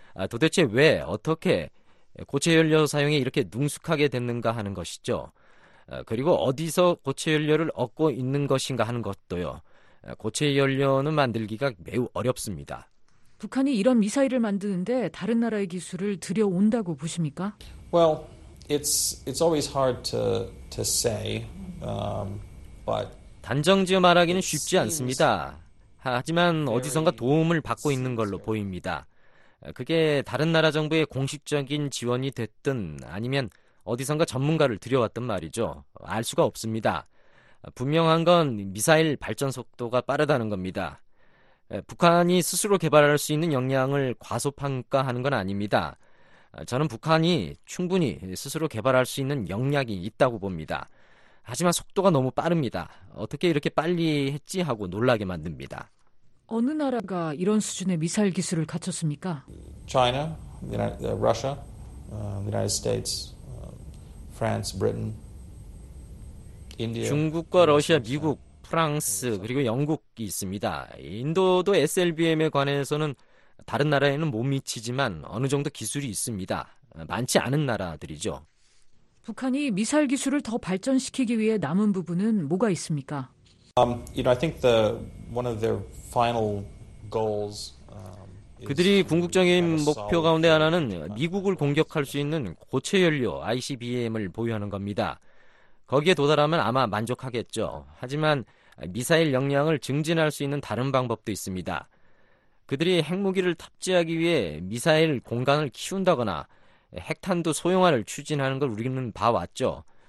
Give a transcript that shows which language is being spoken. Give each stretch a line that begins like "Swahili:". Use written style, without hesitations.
Korean: 도대체 왜, 어떻게 고체 연료 사용에 이렇게 능숙하게 됐는가 하는 것이죠. 그리고 어디서 고체 연료를 얻고 있는 것인가 하는 것도요. 고체 연료는 만들기가 매우 어렵습니다. 북한이 이런 미사일을 만드는데 다른 나라의 기술을 들여온다고 보십니까?
English: Well, it's always hard to say, but
Korean: 단정지어 말하기는 쉽지 않습니다. 하지만 어디선가 도움을 받고 있는 걸로 보입니다. 그게 다른 나라 정부의 공식적인 지원이 됐든 아니면 어디선가 전문가를 들여왔던 말이죠. 알 수가 없습니다. 분명한 건 미사일 발전 속도가 빠르다는 겁니다. 북한이 스스로 개발할 수 있는 역량을 과소평가하는 건 아닙니다. 저는 북한이 충분히 스스로 개발할 수 있는 역량이 있다고 봅니다. 하지만 속도가 너무 빠릅니다. 어떻게 이렇게 빨리 했지 하고 놀라게 만듭니다. 어느 나라가 이런 수준의 미사일 기술을 갖췄습니까?
English: China, Russia, United States, France, Britain, India.
Korean: 중국과 러시아, 미국, 프랑스, 그리고 영국이 있습니다. 인도도 SLBM에 관해서는 다른 나라에는 못 미치지만 어느 정도 기술이 있습니다. 많지 않은 나라들이죠. 북한이 미사일 기술을 더 발전시키기 위해 남은 부분은 뭐가 있습니까?
English: I think the one of their final goals
Korean: 그들이 궁극적인 목표 가운데 하나는 미국을 공격할 수 있는 고체 연료 ICBM을 보유하는 겁니다. 거기에 도달하면 아마 만족하겠죠. 하지만 미사일 역량을 증진할 수 있는 다른 방법도 있습니다. 그들이 핵무기를 탑재하기 위해 미사일 공간을 키운다거나 핵탄두 소형화를 추진하는 걸 우리는 봐왔죠.